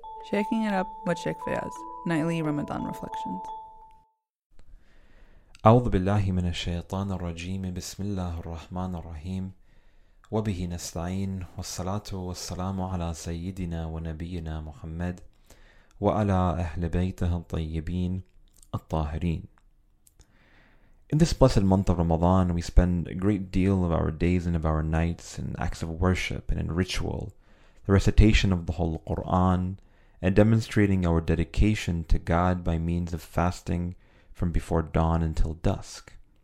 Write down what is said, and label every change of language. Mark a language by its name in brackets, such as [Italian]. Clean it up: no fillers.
[English] Shaking it up with Sheikh Fayaz, nightly Ramadan reflections. [Arabic] أعوذ بالله من الشيطان الرجيم بسم الله الرحمن الرحيم وبه نستعين والصلاة والسلام على سيدنا ونبينا محمد وعلى أهل بيته الطيبين الطاهرين. [English] In this blessed month of Ramadan, we spend a great deal of our days and of our nights in acts of worship and in ritual, the recitation of the whole Quran, and demonstrating our dedication to God by means of fasting from before dawn until dusk.